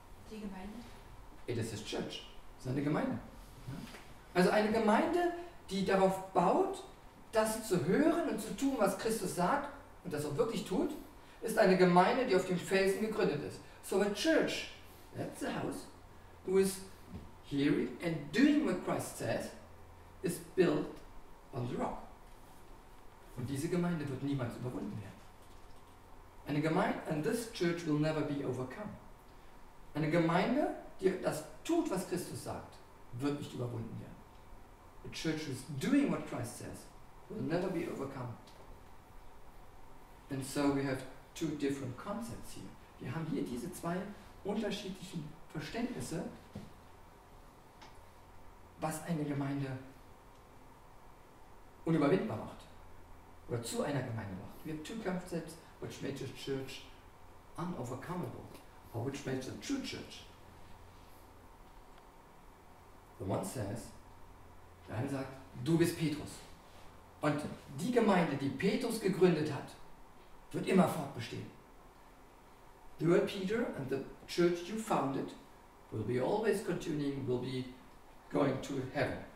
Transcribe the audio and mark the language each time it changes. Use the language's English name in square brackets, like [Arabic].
[German] Die Gemeinde. [English] It is his church. [German] Seine Gemeinde. Also eine Gemeinde, die darauf baut, das zu hören und zu tun, was Christus sagt und das auch wirklich tut, ist eine Gemeinde, die auf dem Felsen gegründet ist. [English] So a church, that's the house, who is hearing and doing what Christ says, is built on the rock. [German] Und diese Gemeinde wird niemals überwunden werden. Eine Gemeinde, [English] and this church will never be overcome. [German] Eine Gemeinde, die das tut, was Christus sagt, wird nicht überwunden werden. [English] A church who is doing what Christ says will never be overcome. And so we have two different concepts here. [German] Wir haben hier diese zwei unterschiedlichen Verständnisse, was eine Gemeinde unüberwindbar macht. Oder zu einer Gemeinde macht. [English] We have two concepts which make a church unovercomable. Or which makes a true church. The one says, [German] der eine sagt, du bist Petrus. Und die Gemeinde, die Petrus gegründet hat, wird immer fortbestehen. [English] The word Peter and the church you founded will be always continuing, will be going to heaven.